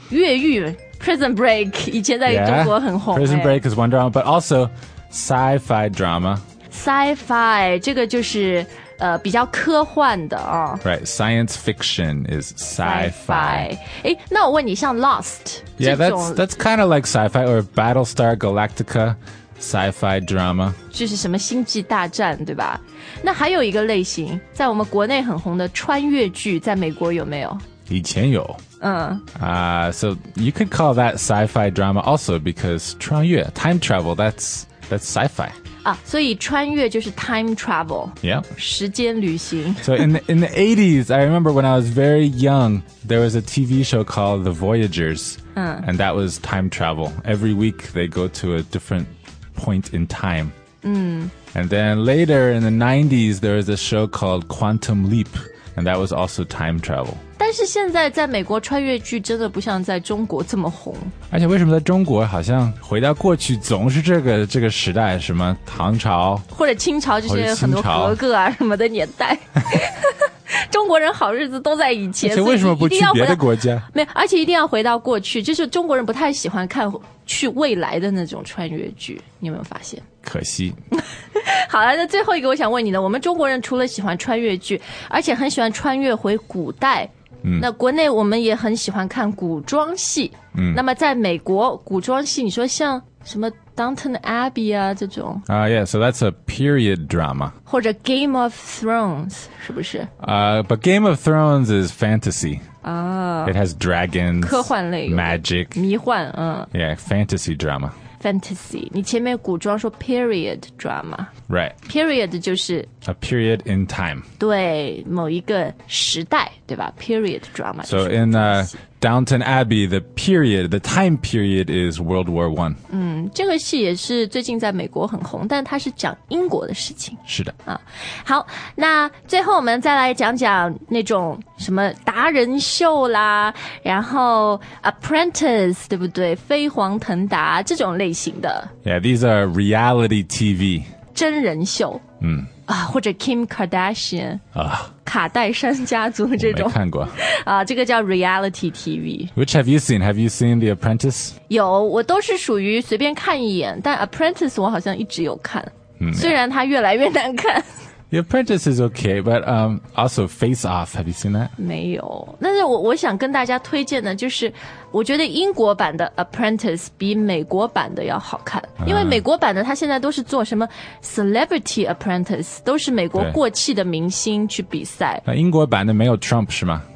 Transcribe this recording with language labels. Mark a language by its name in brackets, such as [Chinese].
[Chinese] 越狱 Prison Break 以前在中国很红 [English] Prison Break is one drama But also sci-fi drama [Chinese] Sci-fi 这个就是比较科幻的、哦、 [English] Right, science fiction is sci-fi [Chinese] 诶那我问你像 Lost [English] Yeah, that's kind of like sci-fi Or Battlestar Galactica Sci-fi drama [Chinese] 就是什么星际大战对吧那还有一个类型在我们国内很红的穿越剧在美国有没有以前有 [English] So you could call that sci-fi drama also Because 穿越 time travel That's sci-fi [Chinese] 所以穿越就是 time travel [English] Yeah [Chinese] 时间旅行 [English] So in the 80s I remember when I was very young There was a TV show called The Voyagers And that was time travel Every week they go to a different point in time And then later in the 90s There was a show called Quantum Leap And that was also time travel [Chinese] 但是现在在美国穿越剧真的不像在中国这么红而且为什么在中国好像回到过去总是这个时代什么唐朝或者清朝这些很多格格啊什么的年代中国人好日子都在以前而且为什么不去别的国家没有而且一定要回到过去就是中国人不太喜欢看去未来的那种穿越剧你有没有发现可惜好了那最后一个我想问你的我们中国人除了喜欢穿越剧而且很喜欢穿越回古代那国内我们也很喜欢看古装戏那么在美国古装戏你说像什么 Downton Abbey 啊这种 [English] 啊、yeah so that's a period drama [Chinese] 或者 Game of Thrones 是不是 [English] But Game of Thrones is fantasy、 oh, It has dragons [Chinese] 科幻类 [English] Magic [Chinese] 迷幻 [English] Yeah fantasy drama [Chinese] Fantasy 你前面古装说 period drama [English] Right [Chinese] Period 就是 [English] A period in time [Chinese] 对某一个时代对吧 Period drama [English] So in Downton Abbey The period The time period is World War I [Chinese] 这个戏也是最近在美国很红但它是讲英国的事情是的好那最后我们再来讲讲那种什么达人秀啦然后 Apprentice 对不对飞黄腾达这种类型的 [English] Yeah, these are reality TV [Chinese] 真人秀或者 Kim Kardashian 卡戴珊家族这种我没看过这个叫 reality TV [English] Which have you seen? Have you seen The Apprentice? [Chinese] 有我都是属于随便看一眼但 Apprentice 我好像一直有看虽然它越来越难看 [English] The Apprentice is okay but also Face Off Have you seen that? [Chinese] 没有但是 我想跟大家推荐的就是我觉得英国版的 Apprentice 比美国版的要好看因为美国版的他现在都是做什么 Celebrity Apprentice 都是美国过气的明星去比赛那英国版的没有 Trump 是吗